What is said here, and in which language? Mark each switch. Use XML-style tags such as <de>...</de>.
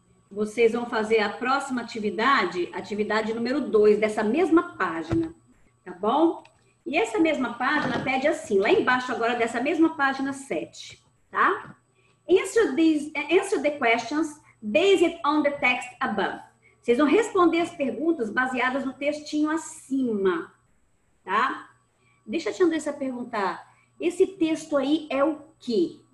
<pt>Vocês vão fazer a próxima atividade, atividade número 2, dessa mesma página, tá bom? E essa mesma página pede assim, lá embaixo agora dessa mesma página 7, tá?</pt> <en>Answer the questions based on the text above.</en> <pt>Vocês vão responder as perguntas baseadas no textinho acima, tá? Deixa a Tia Andressa perguntar, esse texto aí é o quê?</pt>